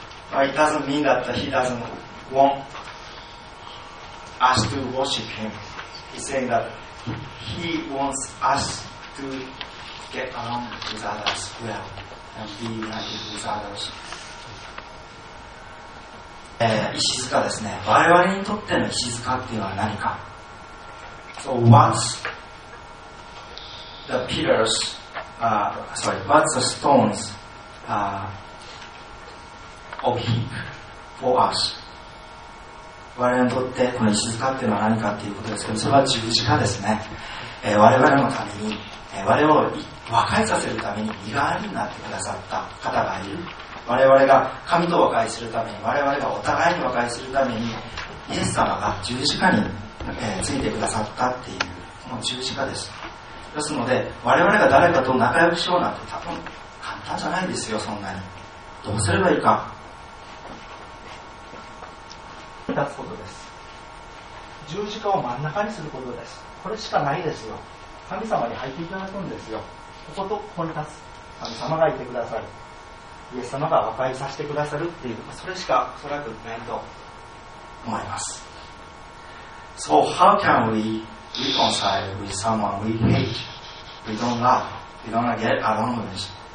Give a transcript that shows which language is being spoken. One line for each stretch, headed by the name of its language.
English: But it doesn't mean that he doesn't want us to worship him. He's saying that he wants us to get along with others well and be united with others.
Japanese: 石塚ですね。我々にとっての石塚っていうのは何か。
English: So what's the pillars, what's the stones, of him for us.
Japanese: 我々にとってこの石塚っていうのは何かっていうことですけど、それは十字架ですね。我々のために、我々を和解させるために身代わりになってくださった方がいる。我々が神と和解するために、我々がお互いに和解するためにイエス様が十字架に、ついてくださったっていう、この十字架です。ですので我々が誰かと仲良くしようなんて多分簡単じゃないですよ。そんなにどうすればいいか。立つことです。十字架を真ん中にすることです。これしかないですよ。神様に入っていただくんですよ。こことここに立つ、神様がいてくださる、イエス様が和解させてくださるっていう、それしかおそらくないと思います。
English: So how can we reconcile with someone we hate, we don't love, we don't get along with?